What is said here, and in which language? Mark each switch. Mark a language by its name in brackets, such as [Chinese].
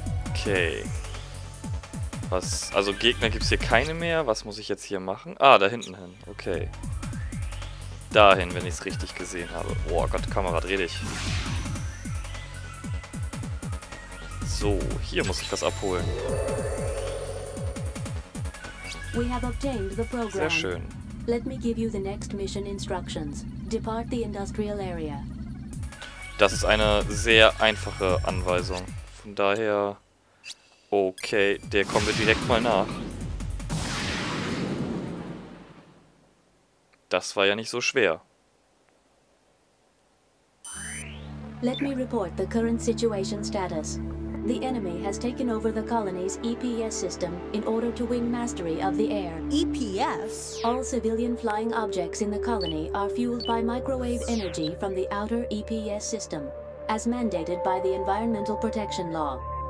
[German] Okay. Was? Also Gegner gibt es hier keine mehr. Was muss ich jetzt hier machen? Ah, da hinten hin. Okay. Dahin, wenn ich es richtig gesehen habe. Oh Gott, Kamera, dreh dich. So, hier muss ich das abholen. [English] We have obtained the program. [German] Sehr schön. [English] Let me give you the next mission instructions. Depart the industrial area. [German] Das ist eine sehr einfache Anweisung. Von daher... Okay, der kommen wir direkt mal nach. Das war ja nicht so schwer. [English] Let me report the current situation status. The enemy has taken over the colony's EPS system in order to win mastery of the air. EPS? All civilian flying objects in the colony are fueled by microwave energy from the outer EPS system, as mandated by the Environmental Protection Law.